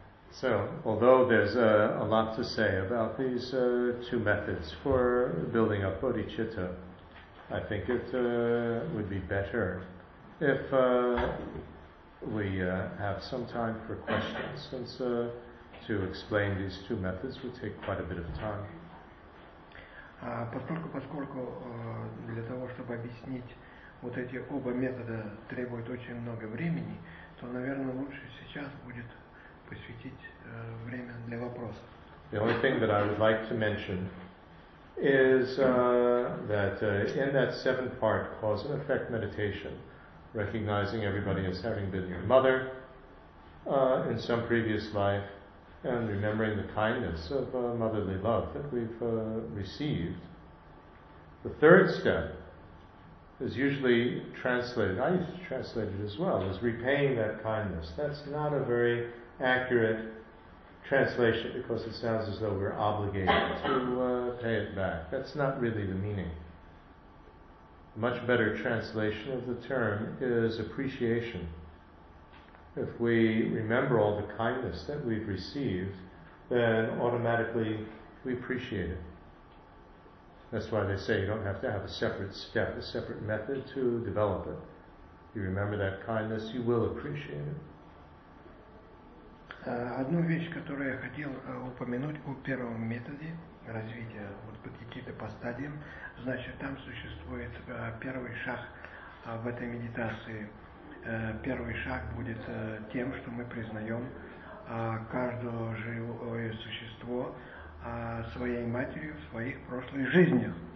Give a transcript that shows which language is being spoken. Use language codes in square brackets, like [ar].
[en] So, although there's a lot to say about these two methods for building up bodhicitta, I think it would be better if we have some time for questions, since to explain these two methods would take quite a bit of time. [ru] Поскольку для того, чтобы объяснить вот эти оба метода, требует очень много времени, то, наверное, лучше сейчас будет посвятить время для вопросов. [en] The only thing that I would like to mention is that in that seven-part cause and effect meditation, recognizing everybody as having been your mother in some previous life, and remembering the kindness of motherly love that we've received, the third step is usually translated, I used to translate it as well, as repaying that kindness. That's not a very accurate translation, because it sounds as though we're obligated to pay it back. That's not really the meaning. A much better translation of the term is appreciation. If we remember all the kindness that we've received, then automatically we appreciate it. That's why they say you don't have to have a separate step, a separate method to develop it. You remember that kindness, you will appreciate it. [ru] Одну вещь, которую я хотел упомянуть о первом методе развития вот бодхичитты по стадиям, значит, там существует первый шаг в этой медитации. Первый шаг будет тем, что мы признаем каждое живое существо своей матерью в своих прошлых жизнях.